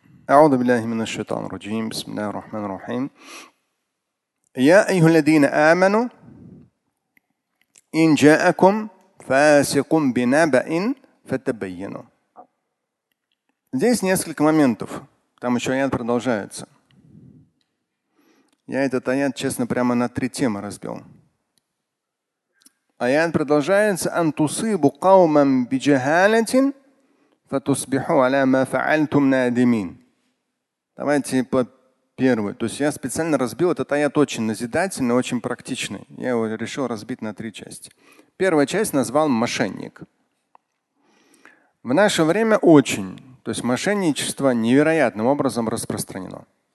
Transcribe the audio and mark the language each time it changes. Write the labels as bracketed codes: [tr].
[ar] أعوذ بالله من الشيطان الرجيم بسم الله الرحمن الرحيم يا أيها الذين آمنوا إن جاءكم فاسق بنبأ فتبينوا. [ru] Здесь несколько моментов. Там еще аят продолжается. Я этот аят, честно, прямо на три темы разбил. Аят продолжается: [ar] أن تصيبوا قوما بجهالة فتصبحوا على ما فعلتم نادمين. [ru] Давайте по первой. То есть я специально разбил этот аят, очень назидательный, очень практичный. Я его решил разбить на три части. Первая часть назвал «мошенник». В наше время очень, то есть мошенничество невероятным образом распространено.